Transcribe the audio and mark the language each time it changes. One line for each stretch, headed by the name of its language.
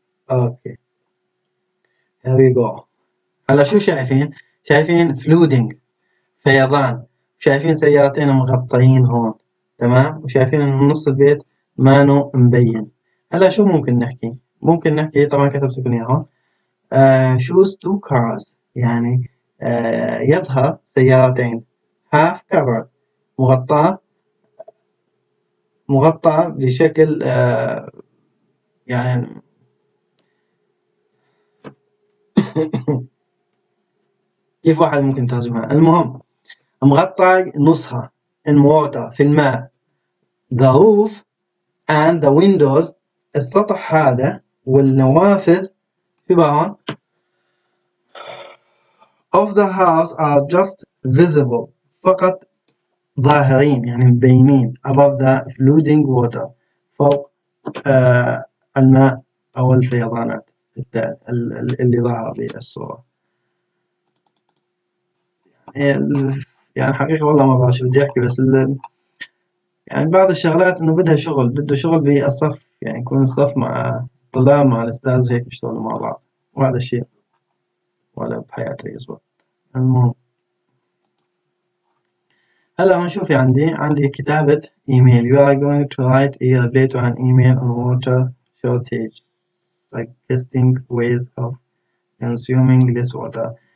English: Okay here we go.
Arabic: هلا شو شايفين؟ شايفين flooding فيضان شايفين سيارتين مغطيين هون تمام وشايفين ان نص البيت مانو مبين. هلا شو ممكن نحكي؟ ممكن نحكي طبعا كتبت لكم اياها هون
English: shows two cars
Arabic: يعني يظهر سيارتين
English: half covered
Arabic: مغطى بشكل يعني كيف واحد ممكن ترجمها. المهم مغطى نصها
English: in water
Arabic: في الماء.
English: The roof and the windows
Arabic: السطح هذا والنوافذ في بعض
English: of the house are just visible
Arabic: فقط ظاهرين يعني مبينين
English: above the flooding water
Arabic: فوق الماء أو الفيضانات اللي ظهر بالصورة. يعني حقيقة والله ما بعرف شو بدي أحكي، بس يعني بعض الشغلات إنه بده شغل بالصف، يعني يكون الصف مع الطلاب مع الأستاذ وهيك يشتغلوا مع بعض، وهذا الشيء ولا بحياته يزبط. المهم هلا هون شوفي، عندي كتابة إيميل.
English: You are going to write a letter and email on water shortage, suggesting ways of consuming less water.